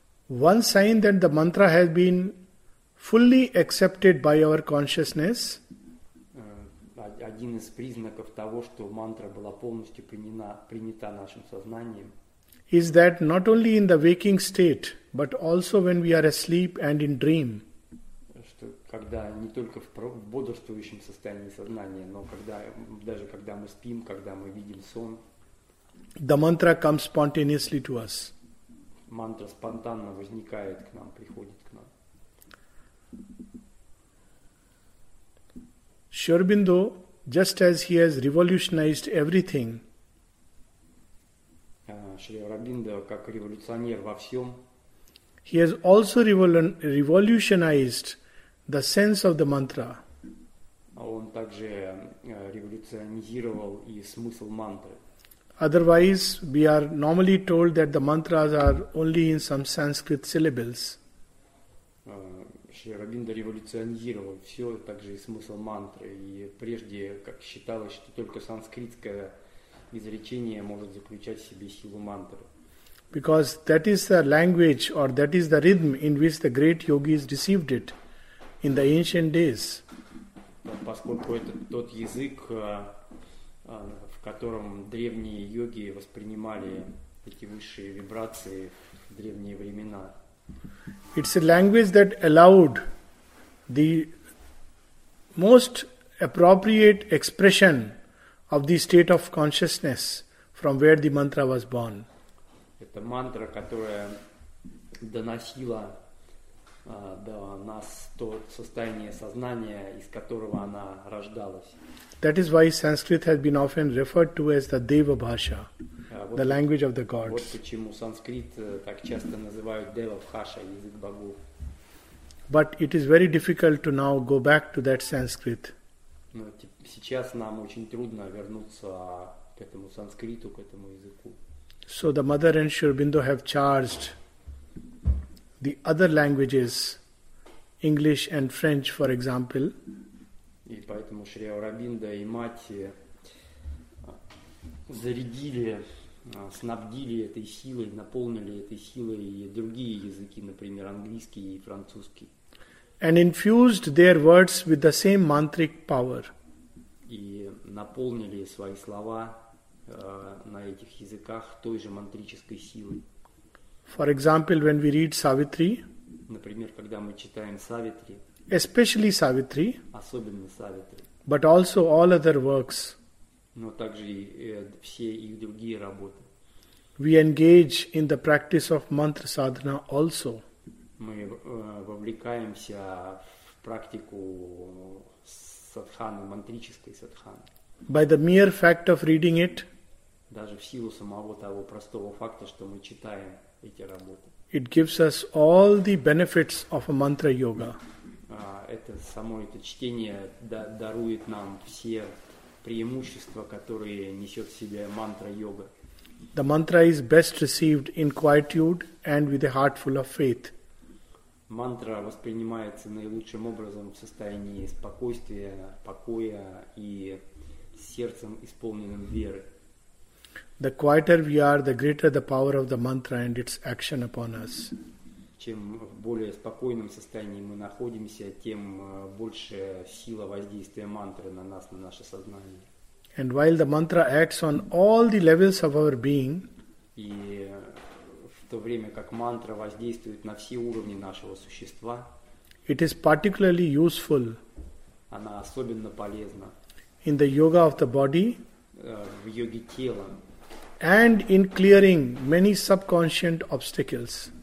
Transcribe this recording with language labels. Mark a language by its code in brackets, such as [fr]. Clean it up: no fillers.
[en] One sign that the mantra has been fully accepted by our consciousness. [ru] Один из признаков того, что мантра была полностью принята нашим сознанием. [en] Is that not only in the waking state, but also when we are asleep and in dream. [ru] Что когда не только в бодрствующем состоянии сознания, но когда даже когда мы спим, когда мы видим сон. [en] The mantra comes spontaneously to us. [ru] Мантра спонтанно возникает к нам, приходит. [en] Sri Aurobindo, just as he has revolutionized everything, [ru] Sri Aurobindo, как революционер во всем, [en] he has also revolutionized the sense of the mantra. [ru] Он также революционизировал и смысл мантры. [en] Otherwise, we are normally told that the mantras are only in some Sanskrit syllables. [ru] Шри Аурабиндо революционировал все, также и смысл мантры. И прежде, как считалось, что только санскритское изречение может заключать в себе силу мантры. [en] Because that is the language or that is the rhythm in which the great yogis received it in the ancient days. [ru] Поскольку это тот язык, в котором древние йоги воспринимали эти высшие вибрации в древние времена. [en] It's a language that allowed the most appropriate expression of the state of consciousness from where the mantra was born. [ru] Это мантра, которая доносила до нас то состояние сознания, из которого она рождалась. [en] That is why Sanskrit has been often referred to as the Deva Bhasha. The language of the gods. [ru] Вот почему санскрит так часто называют Девабхаша, язык богов. [en] But it is very difficult to now go back to that Sanskrit. [ru] Но сейчас нам очень трудно вернуться к этому санскриту, к этому языку. [en] So the mother and Sri Aurobindo have charged the other languages, English and French, for example. [ru] И поэтому Шри Аурабинда и мать зарядили, снабдили этой силой, наполнили этой силой и другие языки, например, английский и французский. [en] And infused their words with the same mantric power. [ru] И наполнили свои слова на этих языках той же мантрической силой. [en] For example, when we read Savitri. [ru] Например, когда мы читаем Савитри. [en] Especially Savitri. [ru] Особенно Савитри. [en] But also all other works. [ru] Но также и все их другие работы. [en] We engage in the practice of mantra sadhana also. [ru] Мы вовлекаемся в практику садханы, мантрической садханы. [en] By the mere fact of reading it, [ru] даже в силу самого того простого факта, что мы читаем эти работы, [en] it gives us all the benefits of a mantra yoga. [ru] Это само это чтение дарует нам все преимущества, которые несет в себе мантра йога. [en] The mantra is best received in quietude and with a heart full of faith. [ru] Мантра воспринимается наилучшим образом в состоянии спокойствия, покоя и сердцем, исполненным веры. [en] The quieter we are, the greater the power of the mantra and its action upon us. [ru] Чем в более спокойном состоянии мы находимся, тем больше сила воздействия мантры на нас, на наше сознание. [en] And while the mantra acts on all the levels of our being, [ru] и в то время как мантра воздействует на все уровни нашего существа, [en] it is particularly useful, [ru] она особенно полезна, [en] in the yoga of the body, [ru] в йоге тела, [en] and in clearing many subconscious obstacles,